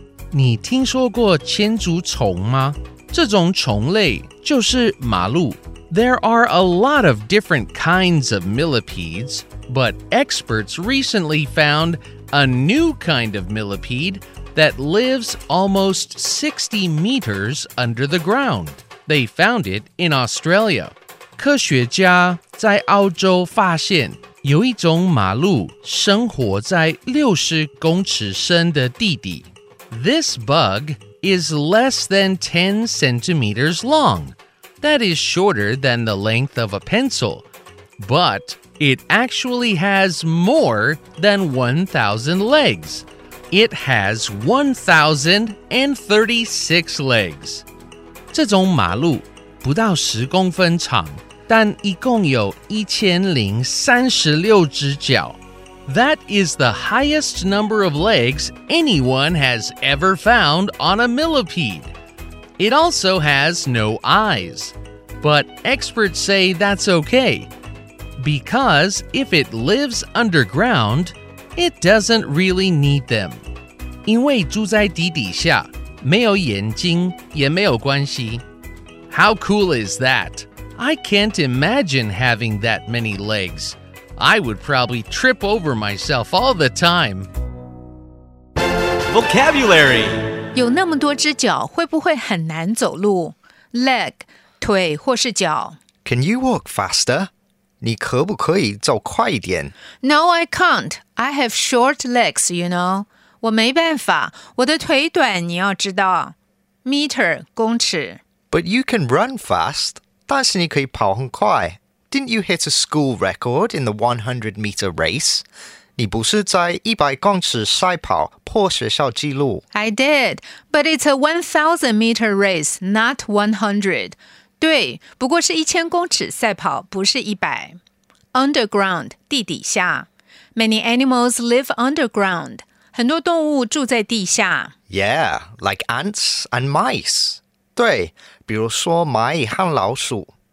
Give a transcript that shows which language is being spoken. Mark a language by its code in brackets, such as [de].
[zh] 你听说过千足虫吗？这种虫类就是马路。 [en] There are a lot of different kinds of millipedes, but experts recently found a new kind of millipede that lives almost 60 meters under the ground. They found it in Australia. [zh] 科学家在澳洲发现有一种马鹿生活在60公尺深的地底。 [en] This bug is less than 10 centimeters long. That is shorter than the length of a pencil, but it actually has more than 1,000 legs. It has 1,036 legs. [zh] 这种马鹿不到十公分长，但一共有1,036只脚。 [en] That is the highest number of legs anyone has ever found on a millipede. It also has no eyes. But experts say that's okay, because if it lives underground, it doesn't really need them. [zh] 因为住在地底下，没有眼睛也没有关系。 [en] How cool is that? I can't imagine having that many legs. I would probably trip over myself all the time. Vocabulary. [zh] 有那么多只脚，会不会很难走路？ Leg. 腿或是脚。 [en] Can you walk faster? [zh] 你可不可以走快一点? [en] No, I can't. I have short legs, you know. [zh] 我没办法,我的腿短,你要知道。 Meter, 公尺。 [en] But you can run fast. [zh] 但是你可以跑很快。 [en] Didn't you hit a school record in the 100 meter race? [zh] 你不是在100公尺赛跑破学校纪录? [en] I did, but it's a 1,000 meter race, not 100. [zh] 对,不过是1000公尺赛跑,不是100。 [en] Underground, [zh] 地底下。 [en] Many animals live underground. [zh] 很多动物住在地下。 [en] Yeah, like ants and mice. [zh] 对,比如说蚂蚁和老鼠。